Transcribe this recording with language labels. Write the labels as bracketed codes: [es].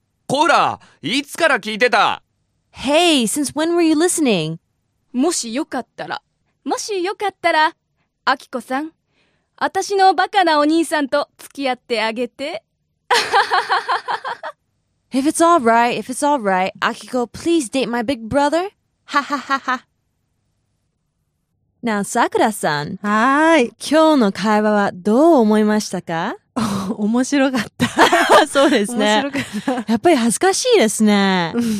[ja] こら、いつから聞いてた？ [en] Hey, since when were you listening? [ja] もしよかったら、もしよかったら、あきこさん、私のバカなお兄さんと付き合ってあげて。 [en] If it's all right, if it's all right, Akiko, please date my big brother. Now, Sakura-san. [ja] はい。今日の会話はどう思いましたか？面白かった。そうですね。面白かった。やっぱり恥ずかしいですね。